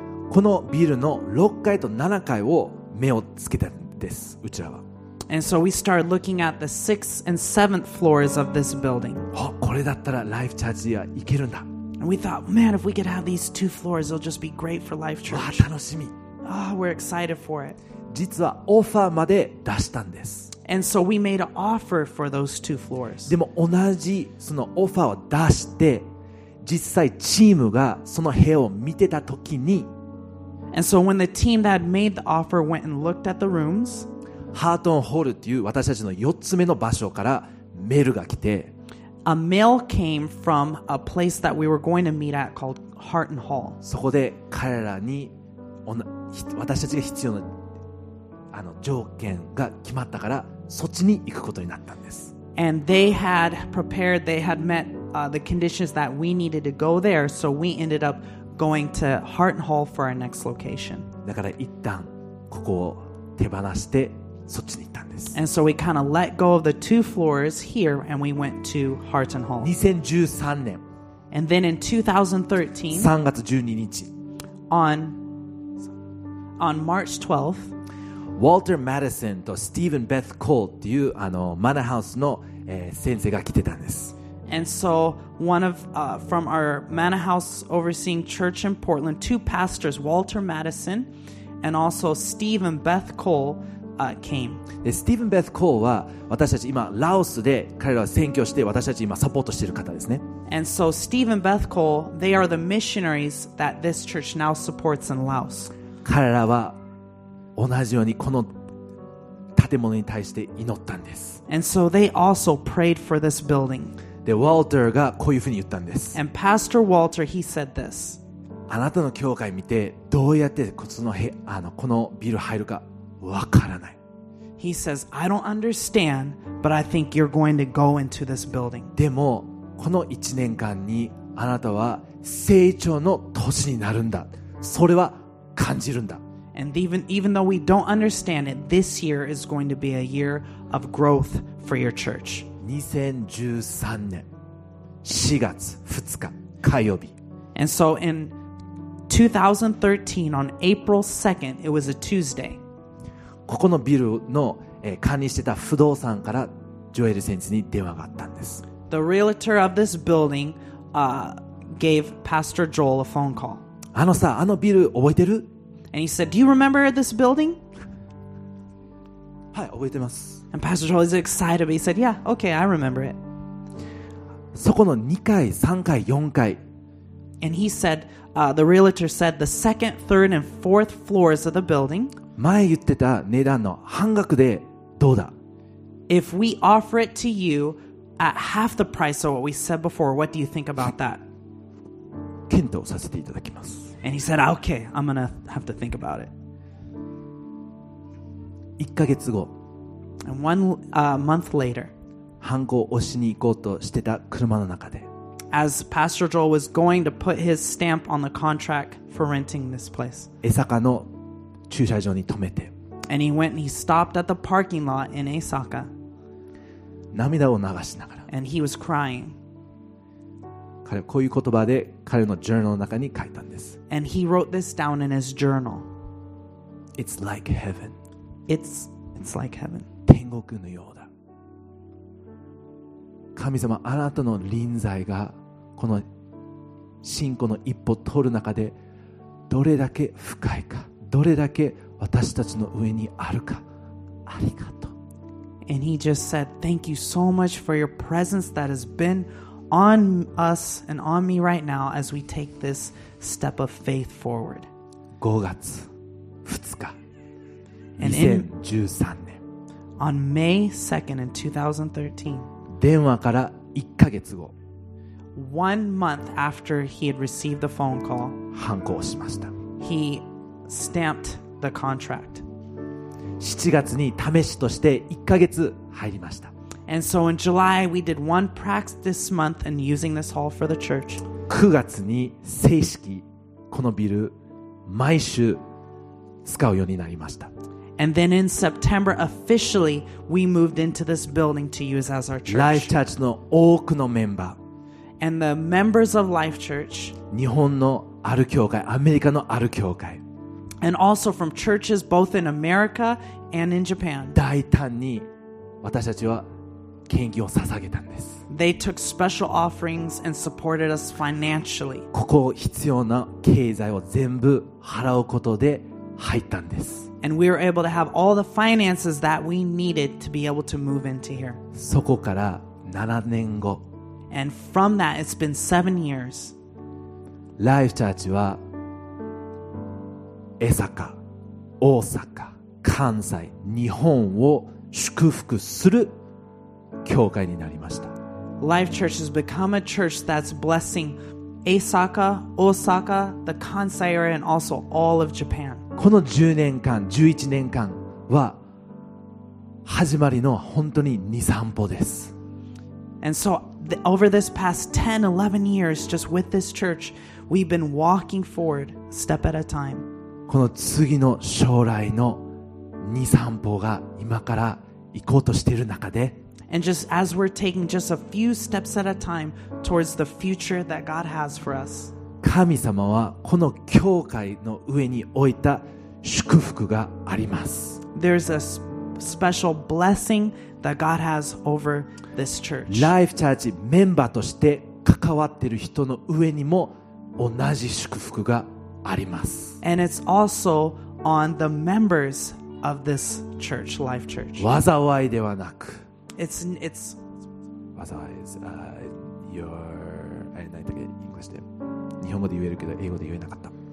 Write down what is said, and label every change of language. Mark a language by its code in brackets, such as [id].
[ja] このビルの6階と7階を目をつけたんです。うちらは。 [en] And so we started looking at the sixth and seventh floors of this building. [ja] これだったらライフチャーチは行けるんだ。 [en] And we thought, man, if we could have these two floors, it'll just be great for Life Church. [ja] 楽しみ。 [en] Oh, we're excited for it. [ja] 実はオファーまで出したんです。 [en] And so we made an offer for those two floors. [ja] でも同じそのオファーを出して実際チームがその部屋を見てた時に、 [en] And so when the team that made the offer went and looked at the rooms, [ja] ハートンホールっていう私たちの4つ目の場所からメールが来て、 [en] A mail came from a place that we were going to meet at called Harton Hall. [ja] そこで彼らに私たちが必要なあの条件が決まったからそっちに行くことになったんです。 [en] And they had prepared, they had met the conditions that we needed to go there, so we ended up going to Harton Hall for our next location. [ja] だから一旦ここを手放してそっちに行ったんです。 [en] And so we kind of let go of the two floors here and we went to Heart and Home. [ja] 2013年。 [en] And then in 2013, [ja] 3月12日。 [en] On March 12th, [ja] Walter Madison と Stephen Beth Cole っていうあのマナハウスの、先生が来てたんです。 [en] And so one of, from our Manor House overseeing church in Portland, two pastors, Walter Madison and also Stephen Beth Cole, came. [ja] Stephen Beth Cole は私たち今ラオスで彼らは宣教して私たち今サポートしている方ですね。 [en] And so Stephen Beth Cole, they are the missionaries that this church now supports in Laos. [ja] 彼らは同じようにこの建物に対して祈ったんです。 [en] And so they also prayed for this building. [ja] でウォルターがこういうふうに言ったんです。 [en] And Pastor Walter, he said this. [ja] あなたの教会見てどうやってこのビル入るかわからない。 He says, I don't understand, but I think you're going to go into this building. でもこの1年間にあなたは成長の年になるんだ。それは感じるんだ。 [en] And even though we don't understand it, this year is going to be a year of growth for your church. [ja] 2013年4月2日火曜日。 [en] And so in 2013, on April 2nd, it was a Tuesday. [ja] ここのビルの、管理してた不動産からジョエル先生に電話があったんです。 [en] The realtor of this building, gave Pastor Joel a phone call. [ja] あのさ、あのビル覚えてる? [en] And he said, Do you remember this building? [ja] はい、覚えてます。 [en] And Pastor Joel is excited, but he said, yeah, okay, I remember it. [ja] そこの2階、3階、4階。 [en] And he said, the realtor said the second, third, and fourth floors of the building. [ja] 前言ってた値段の半額でどうだ? [en] If we offer it to you at half the price of what we said before, what do you think about that? [ja] 検討させていただきます。 [en] And he said, okay, I'm gonna have to think about it. [ja] 1ヶ月後。 [en] And one month later, [ja] ハンコを押しに行こうとしてた車の中で、 [en] as Pastor Joel was going to put his stamp on the contract for renting this place, [ja] 江坂の駐車場に停めて、 [en] and he went and he stopped at the parking lot in Osaka, [ja] 涙を流しながら、 [en] and he was crying. [ja] 彼はこういう言葉で彼のジャーナルの中に書いたんです。 [en] And he wrote this down in his journal. It's like heaven. It's like heaven. [ja] 天国のようだ。神様、あなたの臨在がこの信仰の一歩取る中でどれだけ深いか、どれだけ私たちの上にあるか、ありがとう。 [en] And he just said, "Thank you so much for your presence that has been on us and on me right now as we take this step of faith forward." [ja] 5月2日、2013年。 [en] On May 2nd in 2013, [ja] 電話から1ヶ月後、 [en] One month after he had received the phone call, [ja] 判子をしました。 [en] He stamped the contract. [ja] 7月に試しとして1ヶ月入りました。 [en] And so in July, we did one practice month and using this hall for the church. [ja] 9月に正式このビル毎週使うようになりました。 [en] And then in September, officially, we moved into this building to use as our church. [ja] Life Church の多くのメンバー。 [en] And the members of Life Church. [ja] 日本のある教会、アメリカのある教会。 [en] And also from churches both in America and in Japan. [ja] 大胆に私たちは献金を捧げたんです。 [en] They took special offerings and supported us financially. [ja] ここを必要な経済を全部払うことで入ったんです。 [en] And we were able to have all the finances that we needed to be able to move into here. [ja] そこから7年後。 [en] And from that, it's been 7 years. [ja] Life Church は江坂、大阪、関西、日本を祝福する教会になりました。 [en] Life Church has become a church that's blessing Osaka, Osaka, the Kansai area, and also all of Japan. [ja] この10年間、11年間は始まりの本当に2、3歩です。 [en] And so, over this past 10, 11 years, just with this church, we've been walking forward, step at a time. [ja] この次の将来の 2、3歩が今から行こうとしている中で、 [en] And just as we're taking just a few steps at a time towards the future that God has for us, [ja] 神様はこの教会の上に置いた祝福があります。 [en] There's a special blessing that God has over this church. [ja] Life Church メンバーとして関わっている人の上にも同じ祝福があります。 [en] And it's also on the members of this church, Life Church. [ja] わざわいではなく、 [en] It's otherwise your I don't know the English name. [ja] 日本語で言えるけど英語で言えなかった。